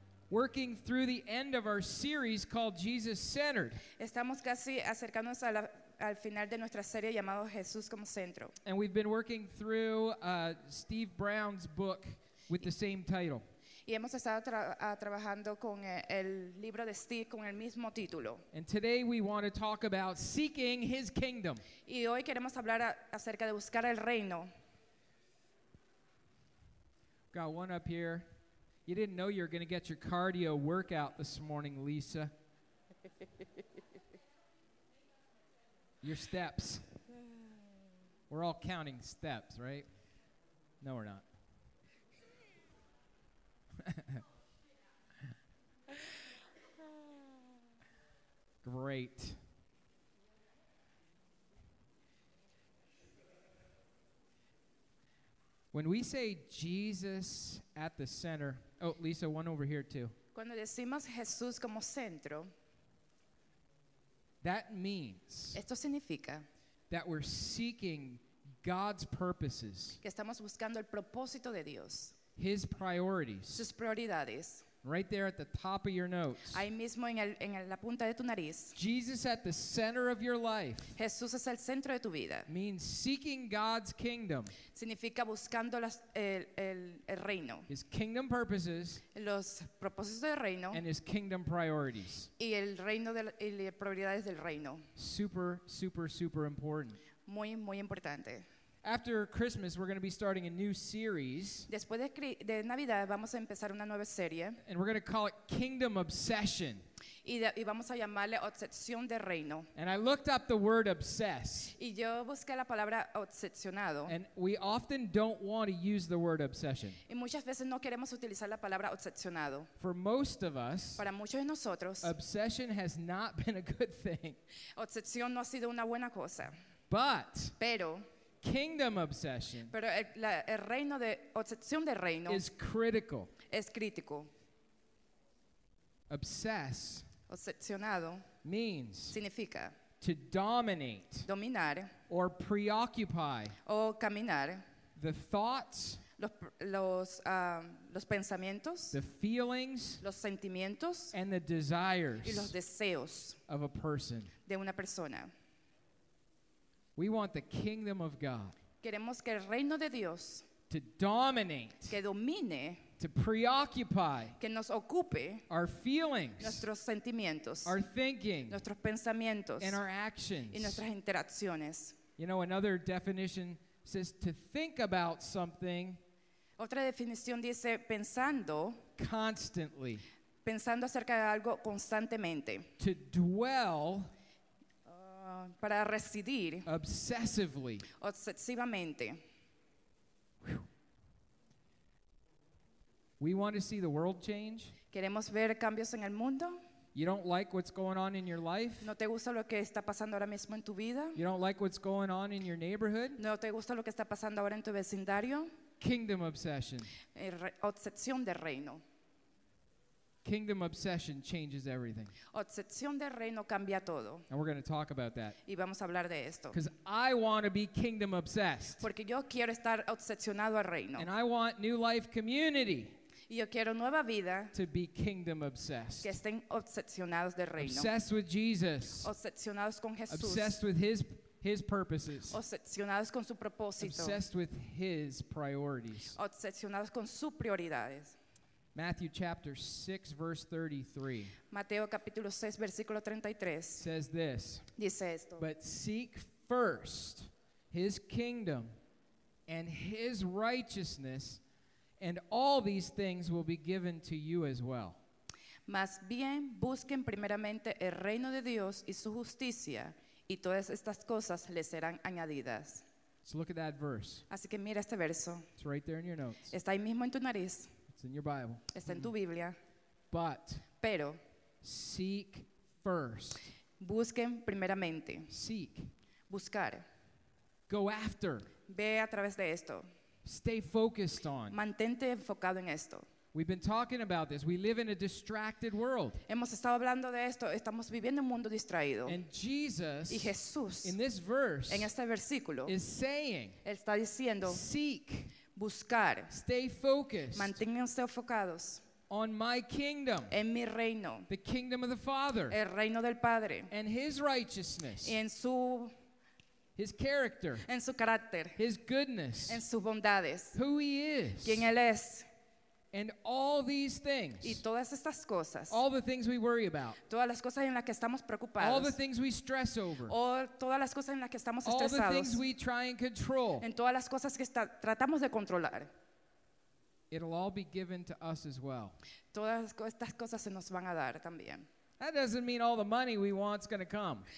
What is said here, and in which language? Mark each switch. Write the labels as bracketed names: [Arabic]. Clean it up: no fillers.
[English] Working through the end of our series called Jesus Centered. [Spanish] Estamos casi acercándonos al final de nuestra serie llamado Jesús como centro. [English] And we've been working through Steve Brown's book with the same title. [Spanish] Y hemos estado trabajando con el libro de Steve con el mismo título. [English] And today we want to talk about seeking his kingdom. [Spanish] Y hoy queremos hablar acerca de buscar el reino. [English] Got one up here. You didn't know you were going to get your cardio workout this morning, Lisa. Your steps. We're all counting steps, right? No, we're not. Great. When we say Jesus at the center... Oh, Lisa, one over here too. [Spanish] Cuando decimos Jesús como centro, [English] that means [Spanish] esto significa [English] that we're seeking God's purposes. [Spanish] Que estamos buscando el propósito de Dios. [English] His priorities. [Spanish] Sus prioridades. [English] Right there at the top of your notes. [Spanish] Ahí mismo en la punta de tu nariz. [English] Jesus at the center of your life. [Spanish] Jesús es el centro de tu vida. [English] Means seeking God's kingdom. [Spanish] Significa buscando el reino. [English] His kingdom purposes. [Spanish] Los propósitos del reino. [English] And his kingdom priorities. [Spanish] Y el reino y las prioridades del reino. [English] Super, super, super important. [Spanish] Muy, muy importante. [English] After Christmas, we're going to be starting a new series. [Spanish] Después de Navidad, vamos a empezar una nueva serie. [English] And we're going to call it Kingdom Obsession. [Spanish] Y vamos a llamarle Obsesión de Reino. [English] And I looked up the word obsess. [Spanish] Y yo busqué la palabra obsesionado. [English] And we often don't want to use the word obsession. [Spanish] Y muchas veces no queremos utilizar la palabra obsesionado. [English] For most of us, [Spanish] para muchos de nosotros, [English] obsession has not been a good thing. [Spanish] Obsesión no ha sido una buena cosa. [English] But, [Spanish] pero, [English] kingdom obsession, [Spanish] pero el reino de obsesión del reino, [English] is critical. [Spanish] Es crítico. [English] Obsess, [Spanish] obsesionado, [English] means [Spanish] significa [English] to dominate, [Spanish] dominar, [English] or preoccupy, [Spanish] o caminar, [English] the thoughts, [Spanish] los pensamientos, [English] the feelings, [Spanish] los sentimientos, [English] and the desires, [Spanish] y los deseos, [English] of a person, [Spanish] de una persona. [English] We want the kingdom of God. [Spanish] Queremos que el reino de Dios [English] to dominate, [Spanish] que domine, [English] to preoccupy, [Spanish] que nos ocupe, [English] our feelings, [Spanish] nuestros sentimientos, [English] our thinking, [Spanish] nuestros pensamientos, [English] and our actions, [Spanish] y nuestras interacciones. [English] You know, another definition says to think about something. [Spanish] Otra definición dice pensando [English] constantly, [Spanish] pensando acerca de algo constantemente. [English] To dwell. [Spanish] Para residir [English] obsessively. [Spanish] Obsesivamente. [English] We want to see the world change. [Spanish] Queremos ver cambios en el mundo. [English] You don't like what's going on in your life. [Spanish] No te gusta lo que está pasando ahora mismo en tu vida. [English] You don't like what's going on in your neighborhood. [Spanish] No te gusta lo que está pasando ahora en tu vecindario. [English] Kingdom obsession. [Spanish] Obsesión del reino. [English] Kingdom obsession changes everything. [Spanish] Obsesión del reino cambia todo. [English] And we're going to talk about that. [Spanish] Y vamos a hablar de esto. [English] Because I want to be kingdom obsessed. [Spanish] Porque yo quiero estar obsesionado al reino. [English] And I want New Life Community. [Spanish] Y yo quiero nueva vida. [English] To be kingdom obsessed. [Spanish] Que estén obsesionados del reino. [English] Obsessed with Jesus. [Spanish] Obsesionados con Jesús. [English] Obsessed with his purposes. [Spanish] Obsesionados con su propósito. [English] Obsessed with his priorities. [Spanish] Obsesionados con sus prioridades. [English] Matthew chapter 6, verse 33. [Spanish] Mateo capítulo 6, versículo 33. [English] Says this. [Spanish] Dice esto. [English] But seek first his kingdom and his righteousness, and all these things will be given to you as well. [Spanish] Más bien busquen primeramente el reino de Dios y su justicia, y todas estas cosas les serán añadidas. [English] So look at that verse. [Spanish] Así que mira este verso. [English] It's right there in your notes. [Spanish] Está ahí mismo en tu nariz. [English] It's in your Bible. [Spanish] Está en tu Biblia. [English] But [Spanish] pero [English] seek first. [Spanish] Busquen primeramente. [English] Seek. [Spanish] Buscar. [English] Go after. [Spanish] Ve a través de esto. [English] Stay focused on. [Spanish] Mantente enfocado en esto. [English] We've been talking about this. We live in a distracted world. [Spanish] Hemos estado hablando de esto. Estamos viviendo un mundo distraído. [English] And Jesus, [Spanish] y Jesús, [English] in this verse, [Spanish] en este versículo, [English] is saying, [Spanish] está diciendo, [English] seek, [Spanish] buscar, [English] stay focused, [Spanish] manténganse enfocados. [English] On my kingdom, [Spanish] en mi reino, [English] the kingdom of the Father, [Spanish] el reino del Padre, [English] and his righteousness, [Spanish] y en su, [English] his character, [Spanish] en su carácter, [English] his goodness, [Spanish] en sus bondades, [English] who he is, [Spanish] quien él es, [English] and all these things, [Spanish] y todas estas cosas, [English] all the things we worry about, [Spanish] todas las cosas en las que estamos preocupados, [English] all the things we stress over, [Spanish] o todas las cosas en las que estamos [English] all [Spanish] estresados, [English] the things we try and control, [Spanish] en todas las cosas que tratamos de controlar. [English] It'll all be given to us as well. [Spanish] Todas estas cosas se nos van a dar también. [English] That doesn't mean all the money we want is going to come.